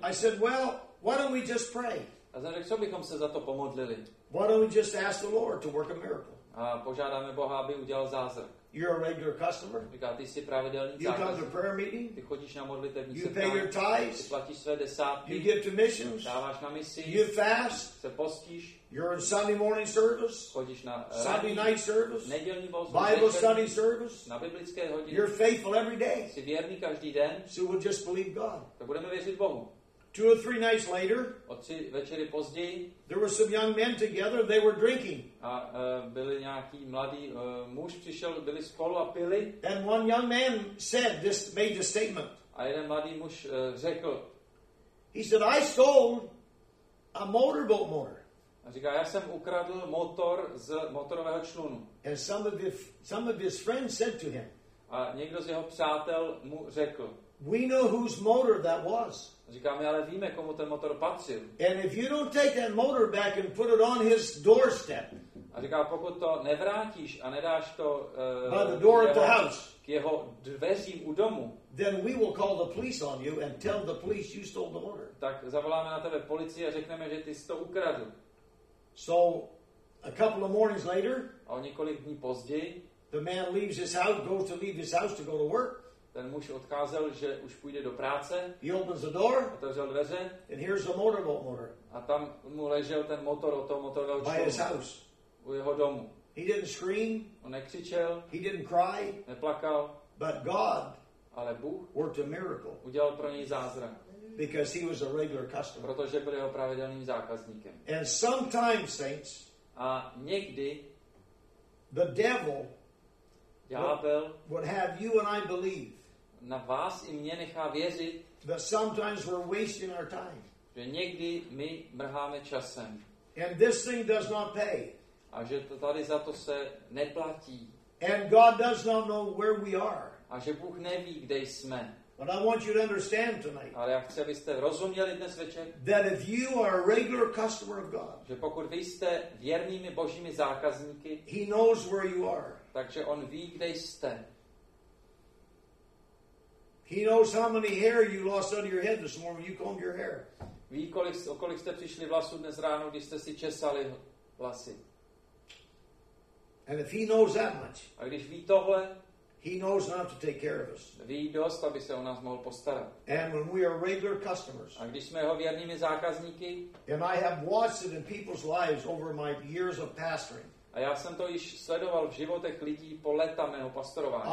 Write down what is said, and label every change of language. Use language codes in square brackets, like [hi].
[en] I said, well, why don't we just pray? [cs] A znamená, co bychom se za to pomodlili? [en] Why don't we just ask the Lord to work a miracle? [cs] A požádáme Boha, aby udělal zázrak. [en] You're a regular customer. [cs] Říká, ty jsi pravidelný zákazník. [en] You go to prayer meeting. [cs] Ty chodíš na modlitevní setkání. [en] You pay your tithes. [cs] Platíš své desátky. [en] You give to missions. [cs] Dáváš na misi. [en] You fast. [cs] Se postíš. [en] You're in Sunday morning service. [cs] Chodíš na [en] Sunday night service. [cs] Nedělní bohoslužbu. [en] Bible study service. [cs] Na biblické hodiny. [en] You're faithful every day. [cs] Jsi věrný každý den. [en] So we'll just believe God. [cs] To budeme věřit Bohu. [en] Two or three nights later, [cs] o tři večery později, [en] there were some young men together. They were drinking. [cs] A byli nějaký mladý muž přišel, byli spolu a pili. [en] And one young man said, this made the statement. [cs] A jeden mladý muž řekl. [en] He said, "I sold a motorboat motor." [cs] A říká, já jsem ukradl motor z motorového člunu. [en] And some of his friends said to him. [cs] A někdo z jeho přátel mu řekl. [en] We know whose motor that was. [cs] Říká mi, ale víme, komu ten motor patřil. [en] And if you don't take that motor back and put it on his doorstep. [cs] A říká, pokud to nevrátíš a nedáš to [en] by the door of the house, [cs] k jeho dveřím u domu, [en] then we will call the police on you and tell the police you stole the motor. [cs] Tak zavoláme na tebe policii a řekneme, že ty jsi to ukradl. [en] So a couple of mornings later, [cs] a o několik dní později, [en] the man leaves his house, goes to leave his house to go to work. [cs] Ten muž odkázal, že už půjde do práce. [en] He opens the door. [cs] Otevřel dveře. [en] And here's the motorboat motor. [cs] A tam mu ležel ten motor od toho motorového člunu. [en] By his house. [cs] U jeho domu. [en] He didn't scream. [cs] On nekřičel. [en] He didn't cry. [cs] Neplakal. [en] But God. [cs] Ale Bůh. [en] Worked a miracle. [cs] Udělal pro něj zázrak. [en] Because he was a regular customer. [cs] Protože byl jeho pravidelným zákazníkem. [en] And sometimes, saints. [cs] A někdy. [en] The devil. [cs] Ďábel. [en] Would have you and I believe. [cs] Na vás i mě nechá věřit, [en] that sometimes we're wasting our time. [cs] Že někdy my mrháme časem. [en] And this thing does not pay. [cs] A že to tady za to se neplatí. [en] And God does not know where we are. [cs] A že Bůh neví, kde jsme. [en] But I want you to understand tonight. [cs] Ale já chci, abyste rozuměli dnes večer. [en] That if you are a regular customer of God. [cs] Že pokud vy jste věrnými Božími zákazníky. [en] He knows where you are. [cs] Takže on ví, kde jste. [en] He knows how many hair you lost under your head this morning when you combed your hair. [cs] Ví, kolik jste přišli vlasů dnes ráno, když jste si česali vlasy. [en] And if he knows that much, [cs] a když ví tohle, [en] he knows how to take care of us. [cs] Ví dost, aby se o nás mohl postarat. [en] And when we are regular customers, [cs] a když jsme jeho věrnými zákazníky, [en] and I have watched it in people's lives over my years of pastoring. [cs] A já jsem to již sledoval v životech lidí po léta mého pastorování.